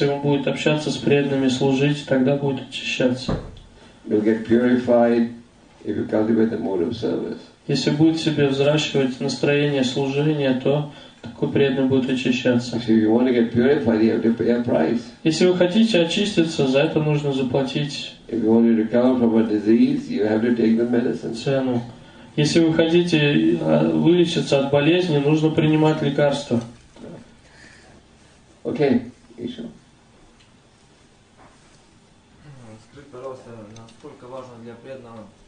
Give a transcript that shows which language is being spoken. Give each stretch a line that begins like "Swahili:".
Russian: Если он будет общаться с преданными, служить, тогда будет очищаться.
English: You'll get purified if you cultivate the mood of service.
Russian: Если будет себе взращивать настроение служения, то такой преданный будет очищаться.
English: If you want to get purified, you have to pay a price.
Russian: Если вы хотите очиститься, за это нужно заплатить.
English: If you want to recover from a disease, you have to take the medicine.
Russian: Цену. Если вы хотите вылечиться от болезни, нужно принимать лекарства. Окей, okay. Еще. Скажите, пожалуйста, насколько важно для преданного